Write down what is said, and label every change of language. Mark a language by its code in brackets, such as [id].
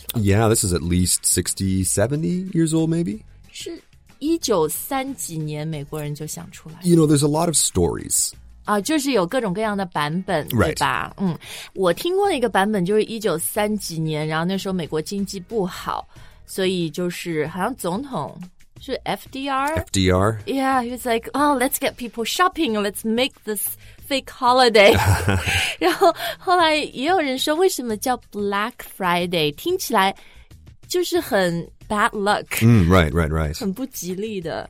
[en] Yeah, this is at least 60, 70 years old, maybe. [zh] 是193几年美国人就想出来。 [en] You know, there's a lot of stories. [zh] 啊，就是有各种各样的版本，对吧？ [en] Right. [zh] 我听过一个版本就是193几年，然后那时候美国经济不好，所以就是好像总统。是 FDR? [en] FDR? Yeah, he was like, oh, let's get people shopping, let's make this fake holiday. [zh] 然后后来也有人说为什么叫 Black Friday, 听起来就是很 [en] bad luck. Right. [zh] 很不吉利的。